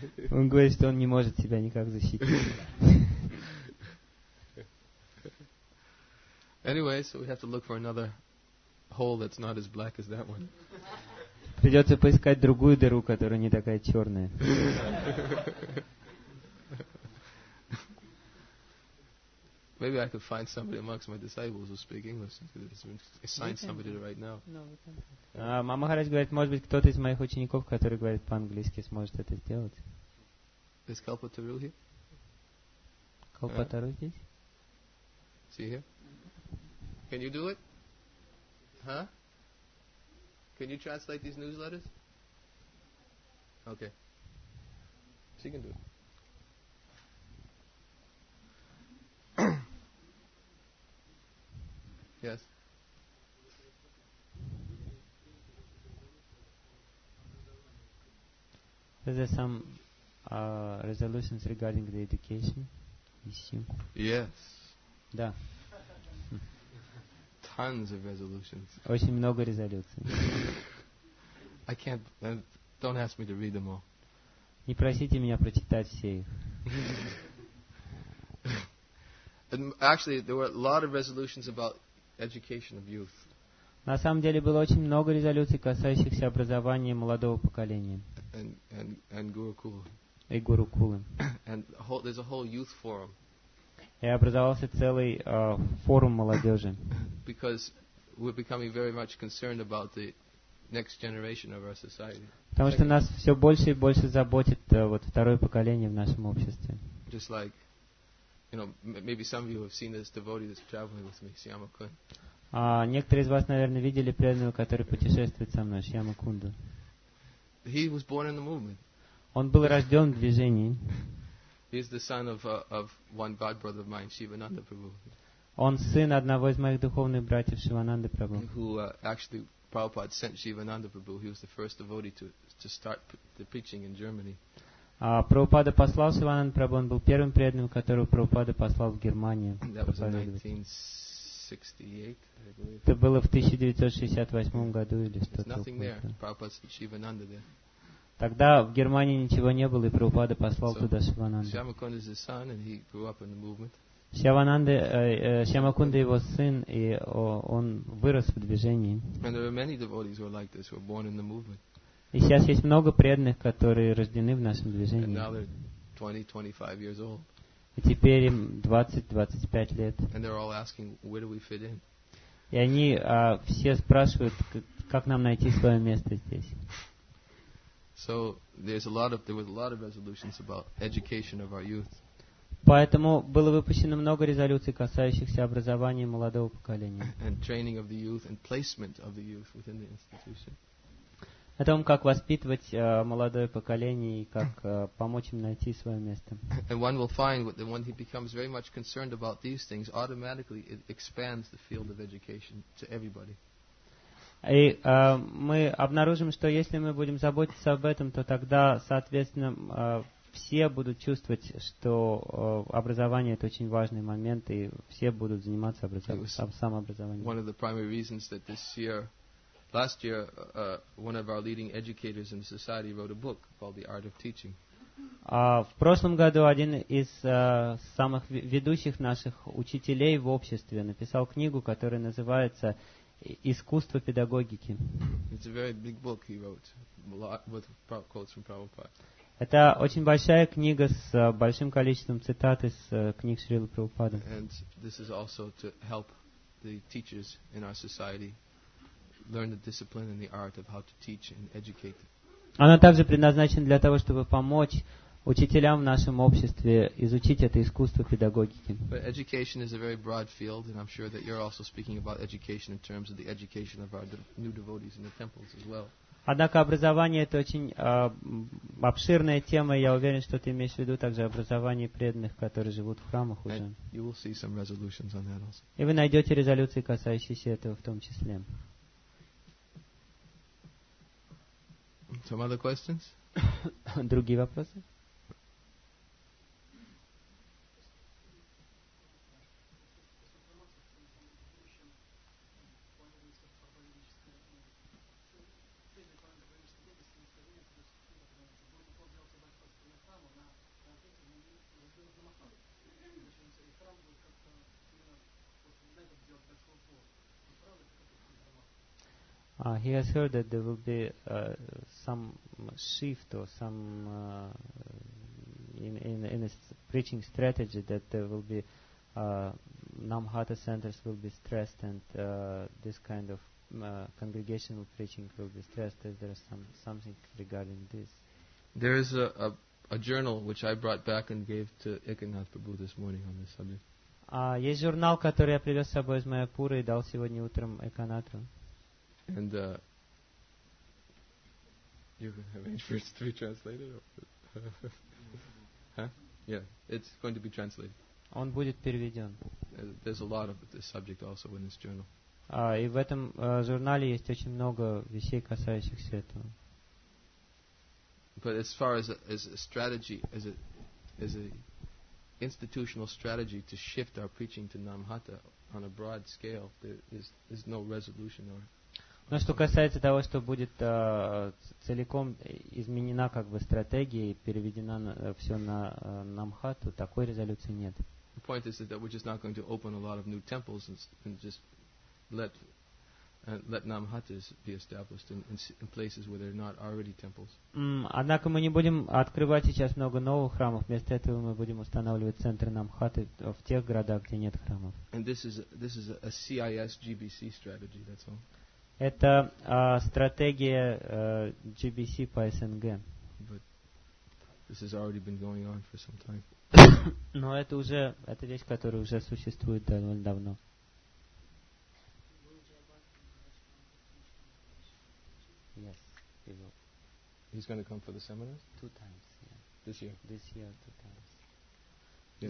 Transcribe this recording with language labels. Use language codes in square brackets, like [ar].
[ru] Он говорит, что он не может себя никак защитить. [en] Anyway, so we have to look for another hole that's not as black as that one. [ru] Придется поискать другую дыру, которая не такая черная. [en] Maybe I could find somebody amongst my disciples who speak English. It's been assigned somebody to write now. [ru] Махарадж говорит, может быть, кто-то из моих учеников, который говорит по-английски, сможет это сделать. [en] Is Kalpa Taru here? [ru] Kalpa Taru здесь? [en] See here? Can you do it? Huh? Can you translate these newsletters? Okay. She can do it. Yes. Is there some resolutions regarding the education issue? Yes. [ru] Да. [en] Tons of resolutions. [ru] Очень много резолюций. [en] I can't. Don't ask me to read them all. [ru] Не просите меня прочитать все их. [en] Actually, there were a lot of resolutions about education of youth. [ru] На самом деле было очень много резолюций, касающихся образования молодого поколения. [en] And Gurukula. [ru] И Гурукулы. [en] And there's a whole youth forum. [ru] И образовался целый форум молодежи. [en] Because we're becoming very much concerned about the next generation of our society. [ru] Потому что нас все больше и больше заботит вот второе поколение в нашем обществе. [en] Just like, you know, maybe some of you have seen this devotee that's traveling with me, Syama Kun. [ru] Некоторые из вас, наверное, видели преданного, который путешествует со мной, Шьяма Кунда. [en] He was born in the movement. [ru] Он был рожден в движении. [en] He's the son of one god brother of mine, Shivananda Prabhu. [ru] Он сын одного из моих духовных братьев, Шивананда Прабху. [en] Who actually Prabhupada sent Shivananda Prabhu. He was the first devotee to start the preaching in Germany. [ru] Прабхупада послал Шивананда Прабху. Он был первым преданным, которого Прабхупада послал в Германию. [en] That was in 1968, I believe. [ru] Это было в 1968 году или что-то. [en] There's nothing there. Prabhupada sent Shivananda there. [ru] Тогда в Германии ничего не было, и Прабхупада послал туда Шивананду. [en] Shyama Kunda is his son, and he grew up in the movement. [ru] Shyama Kunda его сын, и он вырос в движении. [en] And there are many devotees who are like this, who are born in the movement. [ru] И сейчас есть много преданных, которые рождены в нашем движении. [en] And now they're 20-25 years old. [ru] И теперь им 20-25 лет. [en] And they're all asking, where do we fit in? [ru] И они все спрашивают, как нам найти свое место здесь. [en] So there was a lot of resolutions about education of our youth. [ru] Поэтому было выпущено много резолюций, касающихся образования молодого поколения. [en] And training of the youth and placement of the youth within the institution. [ru] О том, как воспитывать молодое поколение и как помочь им найти свое место. [en] And one will find that when he becomes very much concerned about these things, automatically it expands the field of education to everybody. [ru] И мы обнаружим, что если мы будем заботиться об этом, то тогда, соответственно, все будут чувствовать, что образование – это очень важный момент, и все будут заниматься самообразованием. [en] One of the primary reasons that this year, last year, one of our leading educators in society wrote a book called The Art of Teaching. [ru] В прошлом году один из самых ведущих наших учителей в обществе написал книгу, которая называется «Искусство педагогики». [en] It's a very big book he wrote, a lot with quotes from Prabhupada. [ru] Это очень большая книга с большим количеством цитат из книг Шрилы Прабхупады. [en] And this is also to help the teachers in our society learn the discipline and the art of how to teach and educate. [ru] Она также предназначена для того, чтобы помочь учителям в нашем обществе изучить это искусство педагогики. [en] But education is a very broad field, and I'm sure that you're also speaking about education in terms of the education of our new devotees in the temples as well. [ru] Однако образование – это очень обширная тема, и я уверен, что ты имеешь в виду также образование преданных, которые живут в храмах уже. [en] And you will see some resolutions on that also. [ru] И вы найдете резолюции, касающиеся этого в том числе. [en] Some other questions? [ru] Другие вопросы? [en] He has heard that there will be some shift or some in his preaching strategy, that there will be Namhata centers will be stressed, and this kind of congregational preaching will be stressed. Is there something regarding this? There is a journal which I brought back and gave to Ekanath Prabhu this morning on this subject. [ru] Есть журнал, который я привез с собой из Майяпуры и дал сегодня утром Эканатру. [en] And you can arrange for it to be translated. Huh? Yeah, it's going to be translated. [ru] Он будет переведен. [en] There's a lot of this subject also in this journal. [ru] И в этом журнале есть очень много вещей, касающихся этого. [en] But as far as a strategy, as a institutional strategy to shift our preaching to Namhata on a broad scale, there is no resolution or. [ru] Но что касается того, что будет целиком изменена как бы стратегия и переведена все на Намхату, такой резолюции нет. [en] The point is that we're just not going to open a lot of new temples and just let Namhatas be established in places where there are not already temples. [ru] Однако мы не будем открывать сейчас много новых храмов. Вместо этого мы будем устанавливать центры Намхаты в тех городах, где нет храмов. [en] And this is a CIS GBC strategy. That's all. [ru] Это стратегия GBC по СНГ. [en] But this has already been going on for some time. [ru] Но это уже эта вещь, которая уже существует довольно давно. [en] Yes, he will. He's going to come for the seminars? Two times, yeah. This year? This year, two times.